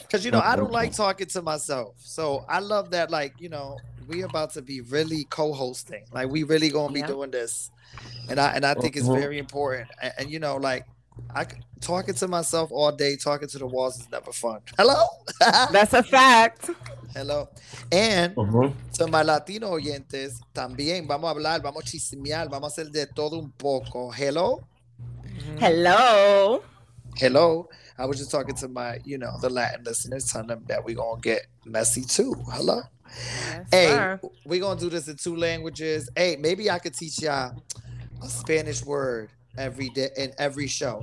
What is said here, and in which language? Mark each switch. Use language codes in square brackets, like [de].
[en] Because you know, I don't like talking to myself, so I love that. Like, you know, we about to be really co-hosting. Like, we really gonna be doing this, and I think it's very important. And you know, like, talking to myself all day, talking to the walls is never fun. Hello. That's a fact. Hello. And to my Latino [es] oyentes, también vamos a hablar, vamos a chismear, vamos a hacer de todo un poco. [en] Hello. Hello. Hello. I was just talking to my, you know, the Latin listeners, telling them that we're going to get messy too. Hello. Yes, hey, we're going to do this in two languages. Hey, maybe I could teach y'all a Spanish word every day in every show.